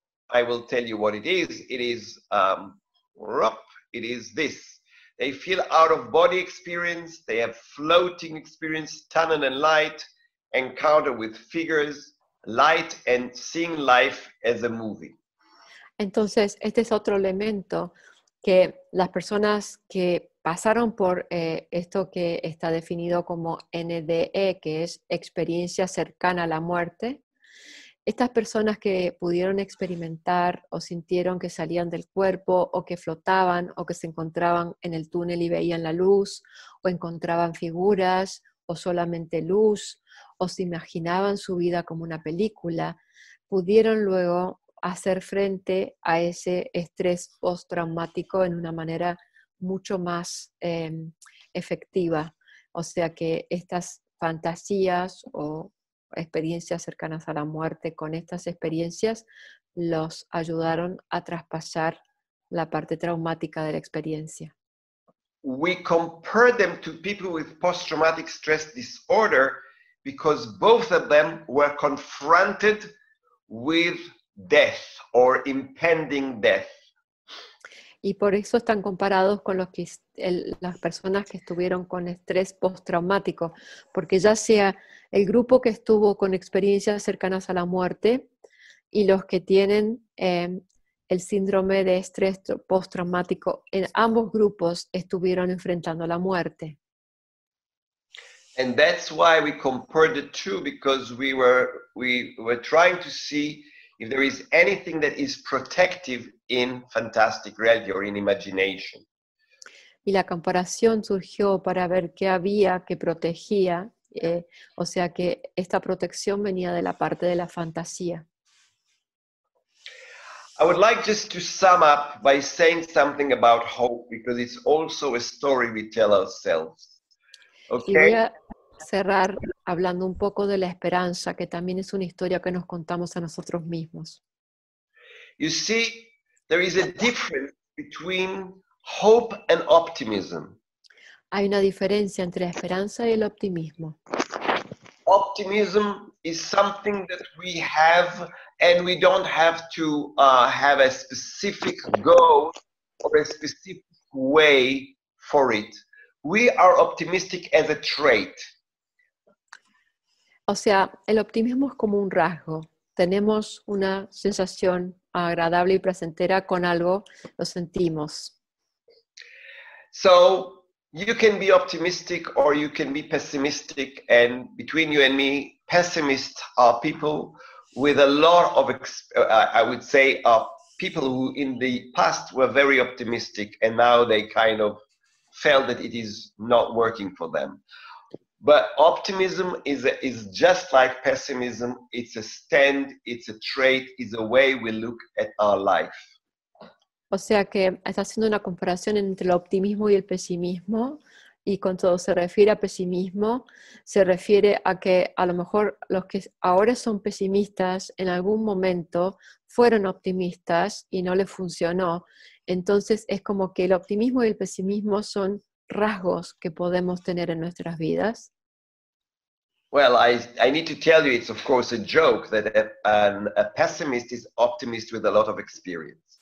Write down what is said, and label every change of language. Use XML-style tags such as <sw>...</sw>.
<en>I will tell you what it is. It is this. They feel out of body experience, they have floating experience, tunnel and light, encounter with figures, light and seeing life as a movie.</en> <es>Entonces, este es otro elemento que las personas que pasaron por esto que está definido como NDE, que es experiencia cercana a la muerte. Estas personas que pudieron experimentar o sintieron que salían del cuerpo o que flotaban o que se encontraban en el túnel y veían la luz o encontraban figuras o solamente luz o se imaginaban su vida como una película, pudieron luego hacer frente a ese estrés postraumático en una manera mucho más efectiva. O sea que estas fantasías o experiencias cercanas a la muerte con estas experiencias los ayudaron a traspasar la parte traumática de la experiencia.</es> <en>We compare them to people with post-traumatic stress disorder because both of them were confronted with death or impending death.</en> <es>Y por eso están comparados con los que, las personas que estuvieron con estrés postraumático, porque ya sea el grupo que estuvo con experiencias cercanas a la muerte y los que tienen el síndrome de estrés postraumático, en ambos grupos estuvieron enfrentando la muerte.</es> <en>And that's why we compared the two, because we were trying to see if there is anything that is protective in fantastic reality or in imagination.</en> <es>Y la comparación surgió para ver qué había que protegía, o sea que esta protección venía de la parte de la fantasía.</es> <en>I would like just to sum up by saying something about hope, because it's also a story we tell ourselves. Okay?</en> <es>Y voy a cerrar hablando un poco de la esperanza, que también es una historia que nos contamos a nosotros mismos.</es> <en>You see, there is a difference between hope and optimism.</en> <es>Hay una diferencia entre la esperanza y el optimismo.</es> <en>Optimism is something that we have, and we don't have to have a specific goal or a specific way for it. We are optimistic as a trait.</en> <es>O sea, el optimismo es como un rasgo. Tenemos una sensación agradable y placentera con algo, lo sentimos.</es> <en>So, you can be optimistic or you can be pessimistic, and between you and me, pessimists are people with a lot of, I would say, are people who in the past were very optimistic and now they kind of felt that it is not working for them. But optimism is just like pessimism. It's a stand, it's a trait, it's a way we look at our life.</en> <es>O sea que está haciendo una comparación entre el optimismo y el pesimismo, y cuando se refiere a pesimismo, se refiere a que a lo mejor los que ahora son pesimistas en algún momento fueron optimistas y no les funcionó. Entonces es como que el optimismo y el pesimismo son rasgos que podemos tener en nuestras vidas.</es> <en>Well, I need to tell you, it's of course a joke that a pessimist is optimist with a lot of experience.</en>